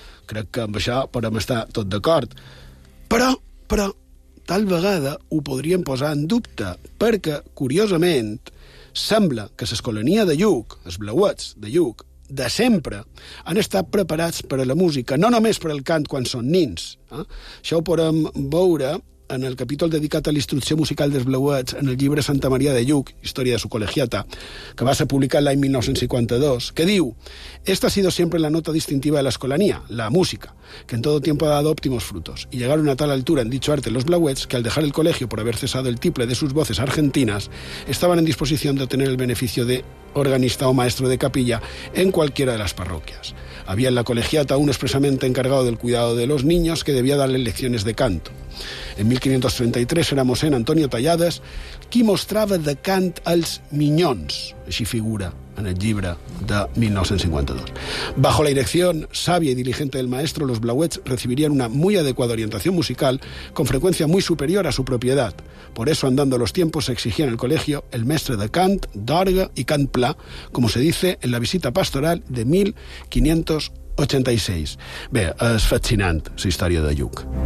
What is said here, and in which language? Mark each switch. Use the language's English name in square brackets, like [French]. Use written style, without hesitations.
[Catalan] Crec que amb això podem estar tot d'acord. Però, tal vegada ho podríem posar en dubte, perquè, curiosament, sembla que l'escolania de Lluc, els blauets de Lluc, de sempre, han estat preparats per a la música, no només per al cant quan són nins. Això ho podem veure en el capítol dedicat a l'instrucció musical dels Bleuets en el llibre Santa Maria de Lluc, Història de su colegiata, que va ser publicat l'any 1952, que diu: [Spanish] esta ha sido siempre la nota distintiva de la escolanía, la música, que en todo tiempo ha dado óptimos frutos, y llegaron a tal altura en dicho arte los Bleuets que al dejar el colegio por haber cesado el tiple de sus voces argentinas, estaban en disposición de obtener el beneficio de organista o maestro de capilla en cualquiera de las parroquias. Había en la colegiata un expresamente encargado del cuidado de los niños que debía darle lecciones de canto. [Catalan] En 1533 era mossèn Antonio Tallades qui mostrava de cant als minyons, així figura en el llibre de 1952. [Spanish] Bajo la dirección sabia y diligente del maestro, los Bleuets recibirían una muy adecuada orientación musical con frecuencia muy superior a su propiedad. Por eso, andando los tiempos, se exigía en el colegio [Catalan] el mestre de cant, d'orgue y cant pla, [Spanish] como se dice en la visita pastoral de 1586. [Catalan] Bé, és fascinant, la història de Lluc.